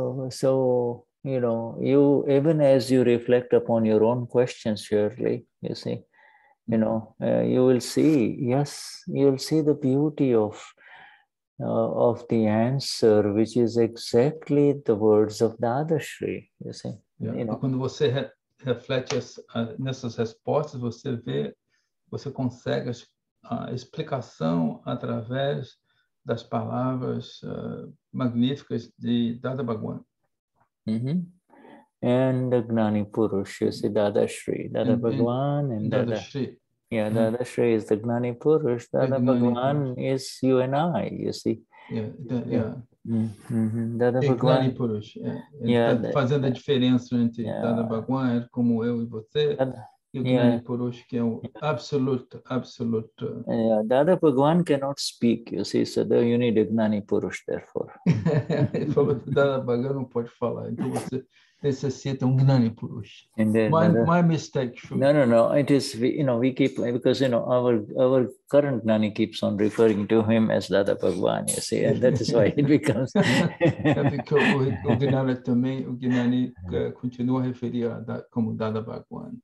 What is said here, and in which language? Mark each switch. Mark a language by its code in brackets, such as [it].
[en] So, you know, you, even as you reflect upon your own questions, surely, you see, you know, you will see, yes, you will see the beauty of the answer, which is exactly the words of Dadashri, you see. Yeah. You know. [pt] Quando você reflete nessas respostas, você vê, você consegue a explicação através das palavras magníficas de Dada Bhagwan. Mm-hmm. [en] And the Gnani Purush, you see, Dadashri, Dada Bhagwan and Dadashri. Yeah, Dadashri is the Gnani Purush. Dada Bhagwan is you and I, you see. Yeah. Mm-hmm. Dada Bhagwan. [pt] Gnani Purush. Yeah. Fazendo a diferença entre Dada Bhagwan, como eu e você, Gnani Purush, que é o absoluto, absoluto. [en] Yeah, Dada Bhagwan cannot speak, you see, so you need Gnani Purush, therefore. [pt] Ele falou que Dada Bhagwan não pode falar, então você necessita Gnani Purush. [en] My mistake. No. It is, you know, we keep, because, you know, our current Gnani keeps on referring to him as Dada Bhagwan, you see, and that is why it becomes... [pt] É porque o Gnani também, o Gnani continua a referir como Dada Bhagwan.